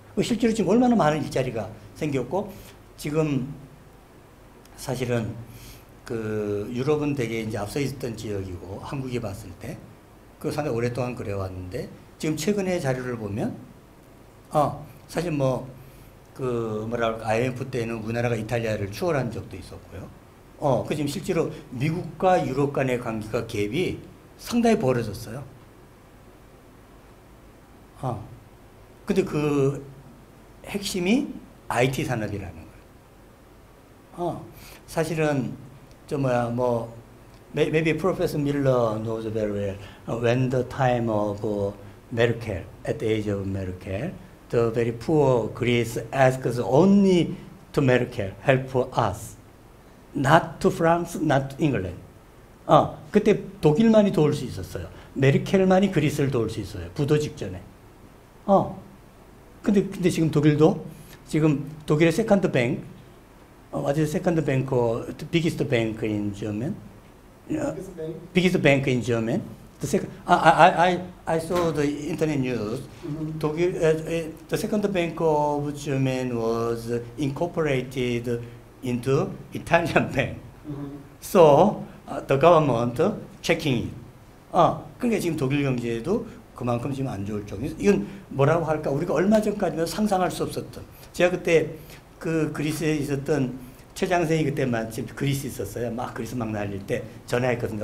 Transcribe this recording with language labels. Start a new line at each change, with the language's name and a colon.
Korean: 실제로 지금 얼마나 많은 일자리가 생겼고 지금 사실은 그 유럽은 되게 이제 앞서 있었던 지역이고 한국이 봤을 때 그 상당히 오랫동안 그래왔는데 지금 최근의 자료를 보면 사실 뭐 그 뭐랄까 IMF 때는 우리나라가 이탈리아를 추월한 적도 있었고요. 그 지금 실제로 미국과 유럽 간의 관계가 갭이 상당히 벌어졌어요. 근데 그 핵심이 IT 산업이라는 거예요. 사실은 저 뭐야 뭐
English: maybe Professor Miller knows very well when the time of Merkel, at the age of Merkel, the very poor Greece asks only to Merkel help us, not to France, not to England.
Korean: 그때 독일만이 도울 수 있었어요. 메르켈만이 그리스를 도울 수 있어요. 부도 직전에. 근데 지금 독일도 지금 독일의 세컨드 뱅크, 어디서 세컨드 뱅크, 비기스트 뱅크인 주면.
English: Biggest bank in German. The second, I saw the internet news. The second bank of German was incorporated into Italian bank. So the government checking it.
Korean: 그러니까 지금 독일 경제에도 그만큼 지금 안 좋을 정도. 이건 뭐라고 할까? 우리가 얼마 전까지는 상상할 수 없었던. 제가 그때 그 그리스에 있었던. 최장생이 그때 마침 그리스 있었어요. 막 그리스 막 날릴 때 전화했거든요.